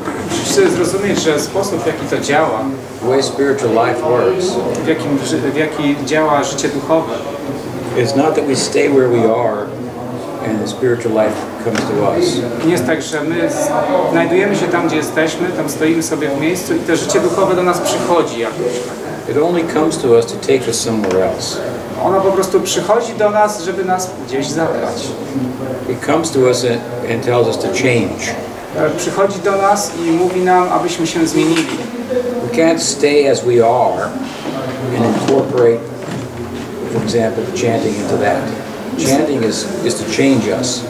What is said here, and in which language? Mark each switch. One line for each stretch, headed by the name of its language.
Polish: Musisz zrozumieć, że sposób, w jaki to działa,
English: the way spiritual life works,
Polish: w jaki działa życie duchowe,
English: is not that we stay where we are and the spiritual life comes to us.
Polish: Nie jest tak, że my znajdujemy się tam, gdzie jesteśmy, tam stoimy sobie w miejscu i to życie duchowe do nas przychodzi jakoś.
English: It only comes to us to take us somewhere else.
Polish: Ono po prostu przychodzi do nas, żeby nas gdzieś zabrać.
English: It comes to us and tells us to change.
Polish: Przychodzi do nas i mówi nam, abyśmy się zmienili.
English: We can't stay as we are and incorporate, for example, chanting into that. Chanting is to change us.